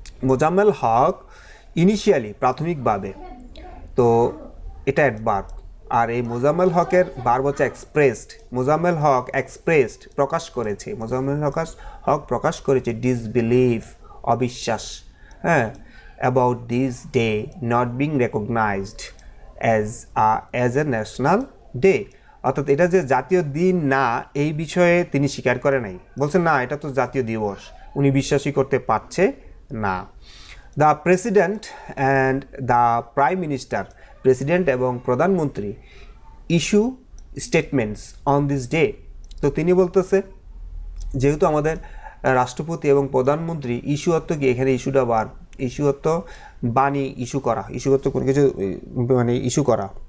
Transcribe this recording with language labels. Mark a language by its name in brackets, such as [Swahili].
[Bangla] Mozammel Haque, initially প্রাথমিকভাবে, তো এটা এট বার্ব, আর এই মোজাম্মেল হকের বার্ব হচ্ছে এক্সপ্রেসড, মোজাম্মেল হক এক্সপ্রেসড প্রকাশ করেছে, মোজাম্মেল হক প্রকাশ করেছে ডিসবিলিভ, অবিশ্বাস, হ্যাঁ, [English] about this day not being recognized as a national day. [Bangla] অর্থাৎ এটা যে জাতীয় দিন না এই বিষয়ে তিনি স্বীকার করে নাই বলছেন না এটা তো জাতীয় দিবস উনি বিশ্বাসই করতে পারছে না [English] the president and the prime minister [Bangla] president এবং প্রধানমন্ত্রী [English] issue statements on this day [Bangla] তো তিনি বলতেছে যেহেতু আমাদের রাষ্ট্রপতি এবং প্রধানমন্ত্রী ইস্যু অর্থ কি এখানে ইস্যুটা বার ইস্যু অর্থ বাণী ইস্যু করা ইস্যু অর্থ কোনো কিছু মানে ইস্যু করা